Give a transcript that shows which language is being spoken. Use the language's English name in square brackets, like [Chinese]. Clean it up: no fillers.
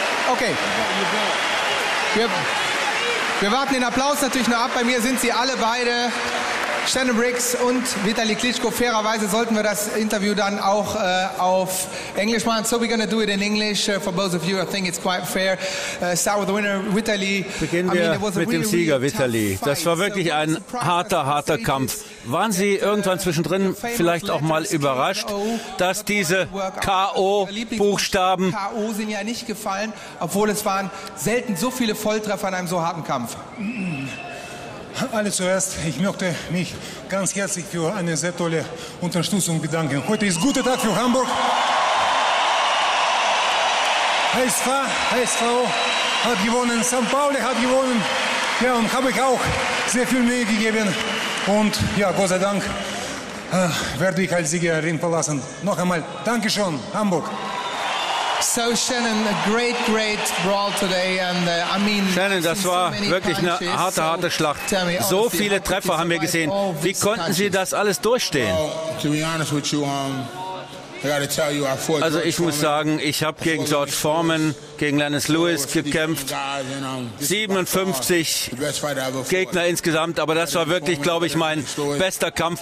[English] Okay. [German] Wir warten den Applaus natürlich nur ab. Bei mir sind sie alle beide, Shannon Briggs und Vitali Klitschko. Fairerweise sollten wir das Interview dann auch auf Englisch machen. [English] So we're going to do it in English for both of you. I think it's quite fair. Start with the winner, Vitali. [German] Beginnen wir mit dem Sieger, Vitali. Das war wirklich ein harter Kampf. Waren Sie irgendwann zwischendrin vielleicht auch mal überrascht, dass diese K.O.-Buchstaben... K.O. sind ja nicht gefallen, obwohl es waren selten so viele Volltreffer in einem so harten Kampf. Alle zuerst, ich möchte mich ganz herzlich für eine sehr tolle Unterstützung bedanken. Heute ist ein guter Tag für Hamburg. HSV, HSV hat gewonnen, St. Pauli hat gewonnen. Ja, und habe ich auch sehr viel Mühe gegeben. Und ja, Gott sei Dank werde ich als Sieger Ring verlassen. Noch einmal, Dankeschön, Hamburg. [English] So Shannon, a great, great brawl today, and I mean. [German] Shannon, das war wirklich eine harte Schlacht. So viele Treffer haben wir gesehen. Wie konnten Sie das alles durchstehen? [English] To be honest with you, [German] Also ich muss sagen, ich habe gegen George Foreman, gegen Lennox Lewis gekämpft. 57 Gegner insgesamt, aber das war wirklich, glaube ich, mein bester Kampf.